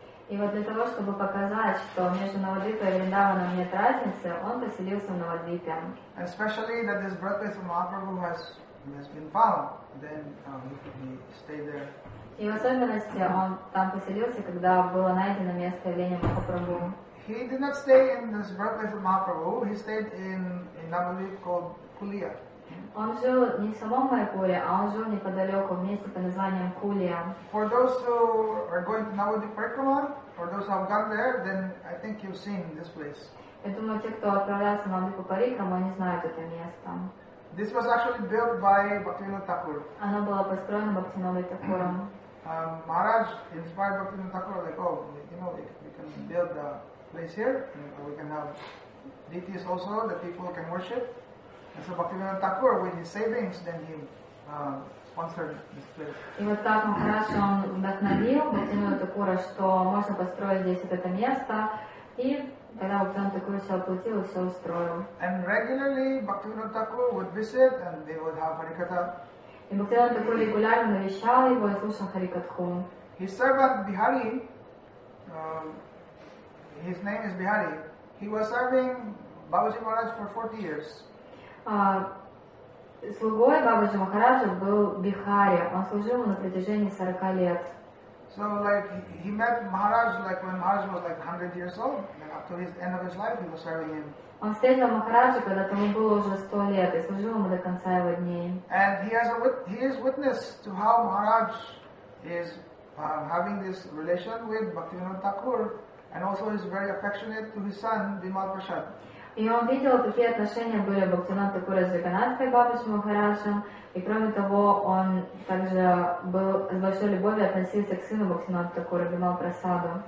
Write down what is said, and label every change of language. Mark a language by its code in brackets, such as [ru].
[ru] И вот для того, чтобы показать, что между Навадвипой и Вриндаваном нет разницы, он поселился в Навадвипе. [en] Especially that this birthplace of Mahaprabhu has been found. Then he stayed there. [ru] И в особенности он там поселился, когда было найдено место явления Махапрабху. [en] He did not stay in this birthplace of Mahaprabhu. He stayed in Navadvip called Kulia. [ru] Он жил не в самом Майпуре, а он жил неподалеку, в месте под названием Кулия. [en] For those who are going to Navadvip Parikrama, for those who have gone there, then I think you've seen this place. [ru] Я думаю, те, кто отправлялся на Навадвип Парикрама, они знают это место. [en] This was actually built by Bhaktivinoda Thakur. [ru] Оно было построено Бхактивинодой Такуром. [en] Maharaj inspired Bhaktivinoda Thakur, like, oh, you know, we can build a place here, and we can have deities also that people can worship. And so Bhaktivinoda Thakur, with his savings, then he sponsored this place. [ru] И вот так Maharaj он вдохновил Бхактивинода Такура, что можно построить здесь вот это место, и тогда Бхактивинода Такур все оплатил и все устроил. [en] And regularly Bhaktivinoda Thakur would visit and they would have Harikatha. [ru] И Бхактивинода Такур регулярно навещал его и слушал Харикатху. [en] His servant Bihari, his name is Bihari, he was serving Babaji Maharaj for 40 years. [ru] Слугой Бабаджи Махараджа был Бихари, он служил ему на протяжении 40 лет. [en] So like he met Maharaj like when Maharaj was like 100 years old, like up to his end of his life he was serving him. [ru] Он встретил Махараджа, когда тому было уже 100 лет, и служил ему до конца его дней. [en] And he is witness to how Maharaj is having this relation with Bhaktivinoda Thakur, and also is very affectionate to his son Bimal Prasad. [ru] И он видел, какие отношения были Бхактинатха Такура с Джаганнатхой Бабаджи Махараджем. И кроме того, он также был с большой любовью относился к сыну Бхактинатха Такура, Бимал Прасаду.